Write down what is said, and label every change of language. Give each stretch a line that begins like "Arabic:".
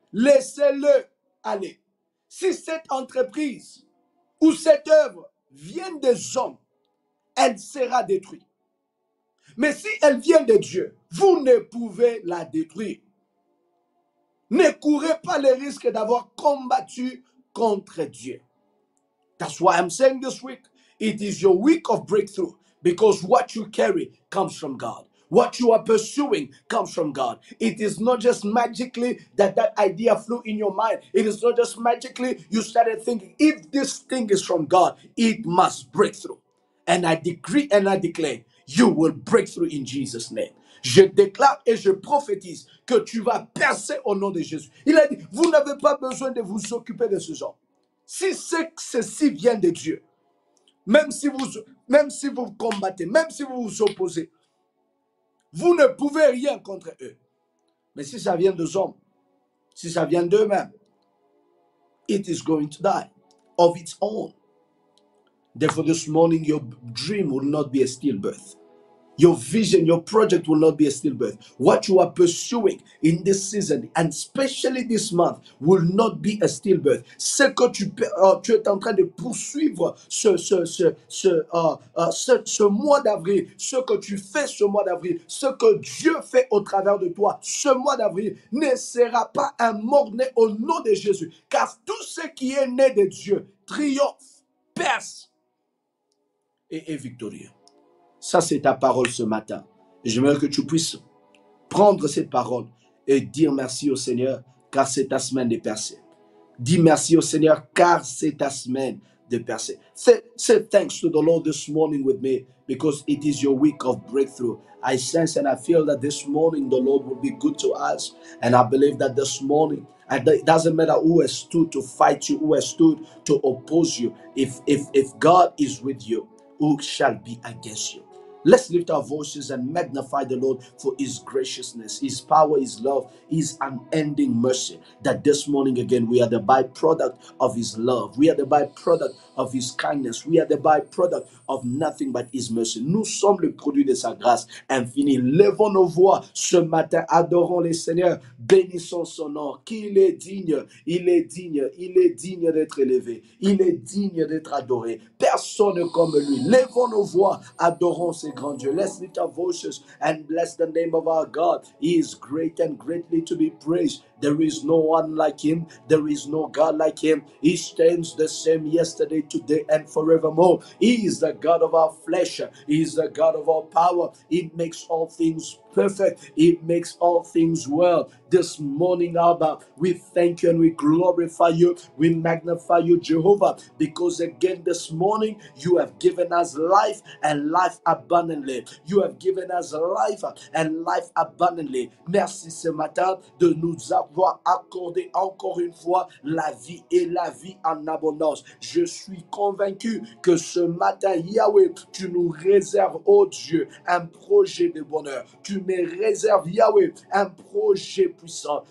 French: Laissez-le aller. Si cette entreprise ou cette œuvre vient des hommes, elle sera détruite. Mais si elle vient de Dieu, vous ne pouvez la détruire. Ne courez pas le risque d'avoir combattu contre Dieu.
English: That's why I'm saying this week, it is your week of breakthrough. Because what you carry comes from God. What you are pursuing comes from God. It is not just magically that idea flew in your mind. It is not just magically you started thinking, if this thing is from God, it must break through. And I decree and I declare, you will break through in Jesus' name.
French: Je déclare et je prophétise que tu vas percer au nom de Jésus. Il a dit, vous n'avez pas besoin de vous occuper de ce genre. Si ceci vient de Dieu, même si vous combattez, même si vous vous opposez, vous ne pouvez rien contre eux. Mais si ça vient des hommes, si ça vient d'eux-mêmes,
English: it is going to die of its own. Therefore, this morning, your dream will not be a stillbirth. Your vision, your project will not be a stillbirth. What you are pursuing in this season, and especially this month, will not be a stillbirth.
French: Ce que tu es en train de poursuivre ce mois d'avril, ce que tu fais ce mois d'avril, ce que Dieu fait au travers de toi ce mois d'avril, ne sera pas un mort-né au nom de Jésus. Car tout ce qui est né de Dieu triomphe, perce et est victorieux. Ça, c'est ta parole ce matin. Et j'aimerais que tu puisses prendre cette parole et dire merci au Seigneur, car c'est ta semaine de percée. Dis merci au Seigneur, car c'est ta semaine de percer.
English: Say thanks to the Lord this morning with me, because it is your week of breakthrough. I sense and I feel that this morning the Lord will be good to us. And I believe that this morning, it doesn't matter who has stood to fight you, who has stood to oppose you. If God is with you, who shall be against you? Let's lift our voices and magnify the Lord for His graciousness, His power, His love, His unending mercy. That this morning again, we are the byproduct of His love. We are the byproduct of His kindness. We are the byproduct of nothing but His mercy.
French: Nous sommes le produit de sa grâce infinie. Levons nos voix ce matin. Adorons le Seigneur. Bénissons son nom. Qu'il est digne. Il est digne. Il est digne d'être élevé. Il est digne d'être adoré. Personne comme lui. Levons nos voix. Adorons ses grands dieux.
English: Let's lift our voices and bless the name of our God. He is great and greatly to be praised. There is no one like Him. There is no God like Him. He stands the same yesterday, today, and forevermore. He is the God of our flesh. He is the God of our power. He makes all things perfect. He makes all things well. This morning, Abba, we thank you and we glorify you. We magnify you, Jehovah, because again this morning, you have given us life and life abundantly. You have given us life and life abundantly.
French: Merci ce matin de nous avoir accordé encore une fois la vie et la vie en abondance. Je suis convaincu que ce matin, Yahweh, tu nous réserves, ô Dieu, un projet de bonheur. Tu me réserves, Yahweh, un projet puissant.